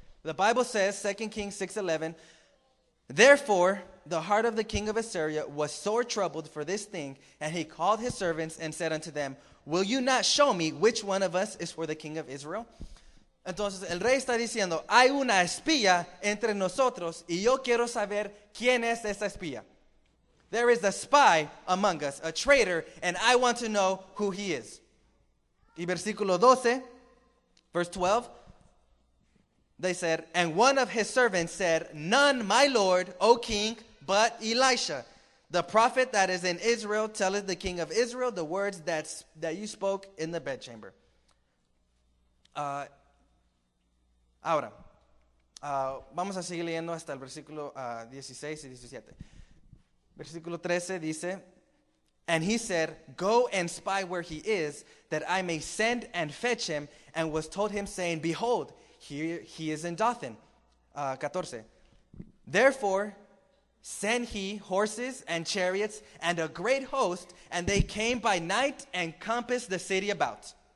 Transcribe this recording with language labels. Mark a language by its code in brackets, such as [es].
[en] The Bible says, 2 Kings 6:11, "Therefore, the heart of the king of Assyria was sore troubled for this thing, and he called his servants and said unto them, Will you not show me which one of us is for the king of Israel?" [es] Entonces, el rey está diciendo, hay una espía entre nosotros, y yo quiero saber quién es esa espía. [en] There is a spy among us, a traitor, and I want to know who he is. [es] Y versículo 12, [en] verse 12, they said, "And one of his servants said, None, my lord, O king, but Elisha, the prophet that is in Israel, telleth the king of Israel the words that you spoke in the bedchamber." [es] Ahora, vamos a seguir leyendo hasta el versículo 16 y 17. Versículo 13 dice, [en] "And he said, Go and spy where he is, that I may send and fetch him, and was told him, saying, Behold, he is in Dothan." 14. "Therefore, send he horses and chariots and a great host, and they came by night and compassed the city about."